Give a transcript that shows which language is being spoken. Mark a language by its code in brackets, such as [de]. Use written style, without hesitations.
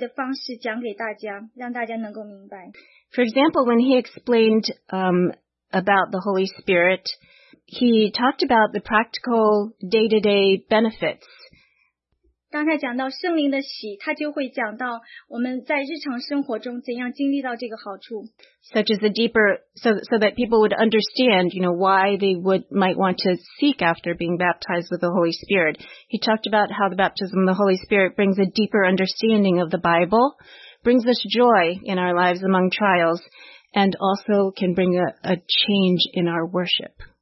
[zh] 他有他一个特别的方式，他能够把一些属灵的真理用非常接地气的方式讲给大家，让大家能够明白。 [en] For example, when he explained about the Holy Spirit, he talked about the practical day-to-day benefits. [zh] 当他讲到圣灵的喜，他就会讲到我们在日常生活中怎样经历到这个好处。 [en] Such as the deeper, so that people would understand, you know, why they would might want to seek after being baptized with the Holy Spirit. He talked about how the baptism of the Holy Spirit brings a deeper understanding of the Bible, brings us joy in our lives among trials, and also can bring a change in our worship.